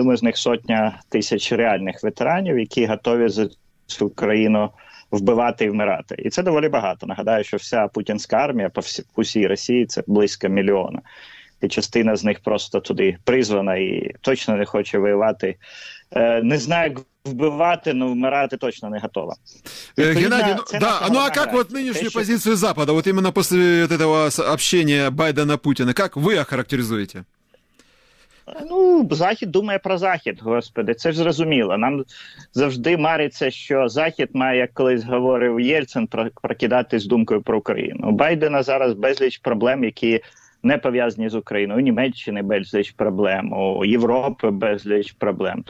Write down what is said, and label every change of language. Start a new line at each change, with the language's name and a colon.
Ukrainian: Думаю, з них сотня тисяч реальних ветеранів, які готові за цю країну вбивати і вмирати. І це доволі багато. Нагадаю, що вся путінська армія по всій Росії – це близько мільйона. І частина з них просто туди призвана і точно не хоче воювати. Не знаю, як вбивати, но вмирати точно не готова.
Russian: Геннадій, а как вот нынешнюю позицию Запада, вот именно после вот этого общения Байдена-Путіна, как вы охарактеризуете?
Ukrainian: Ну, Захід думає про Захід, господи, це ж зрозуміло. Нам завжди мариться, що Захід має, як колись говорив Єльцин, прокидатись думкою про Україну. У Байдена зараз безліч проблем, які не пов'язані з Україною, у Німеччини безліч проблем, у Європи безліч проблем.